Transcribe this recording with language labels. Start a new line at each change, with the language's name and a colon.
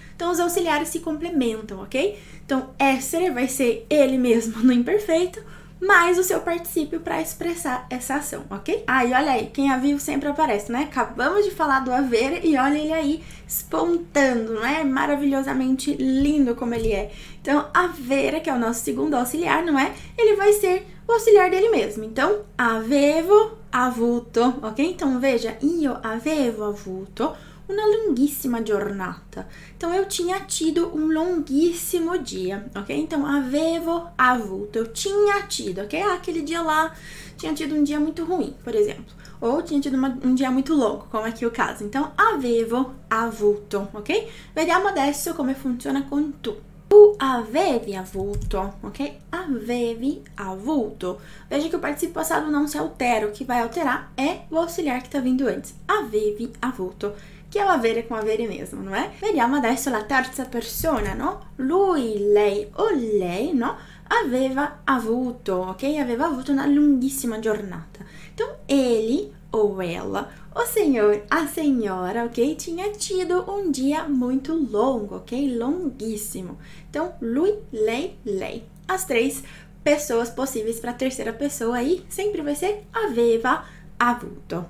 Portuguese: Então, os auxiliares se complementam, ok? Então, essere vai ser ele mesmo no imperfeito, mais o seu participio para expressar essa ação, ok? Aí, olha aí, quem é vivo sempre aparece, né? Acabamos de falar do avere e olha ele aí espontando, não é? Maravilhosamente lindo como ele é. Então, avere, que é o nosso segundo auxiliar, não é? Ele vai ser o auxiliar dele mesmo. Então, avevo avuto, ok? Então, veja,
Italian: io avevo avuto una lunghissima giornata.
Portuguese: Então, eu tinha tido um longuíssimo dia, ok? Então, avevo avuto, eu tinha tido, ok? Ah, aquele dia lá tinha tido um dia muito ruim, por exemplo. Ou tinha tido um dia muito longo, como aqui o caso. Então, avevo avuto, ok?
Italian: Vediamo adesso
Portuguese: como funciona com
Italian: tu. Tu avevi avuto, ok?
Portuguese: Avevi avuto. Veja que o participio passado não se altera, o que vai alterar é o auxiliar que está vindo antes. Avevi avuto, que é o avere com avere mesmo, não é?
Italian: Vediamo adesso la terza persona, no? Lui, lei o lei, no? Aveva avuto, ok? Aveva avuto una lunghissima giornata.
Portuguese: Então, ele ou ela, o senhor, a senhora, ok? Tinha tido um dia muito longo, ok? Longuíssimo. Então, lui, lei, lei. As três pessoas possíveis para a terceira pessoa aí sempre vai ser aveva avuto.